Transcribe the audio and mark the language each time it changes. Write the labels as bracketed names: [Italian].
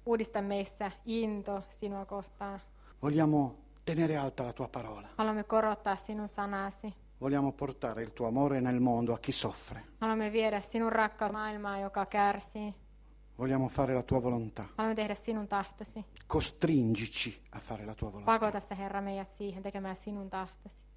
[Finnish] Uudista meissä into sinua kohtaan. [Italian] Vogliamo tenere alta la tua parola. [Finnish] Haluamme korottaa sinun sanasi. [Italian] Vogliamo portare il tuo amore nel mondo a chi soffre. [Finnish] Haluamme viedä sinun rakkautta maailmaa, joka kärsii. [Italian] Vogliamo fare la tua volontà. [Finnish] Haluamme tehdä sinun tahtosi. [Italian] Costringici a fare la tua volontà. [Finnish] Pakota se, Herra, meidät siihen tekemään sinun tahtosi.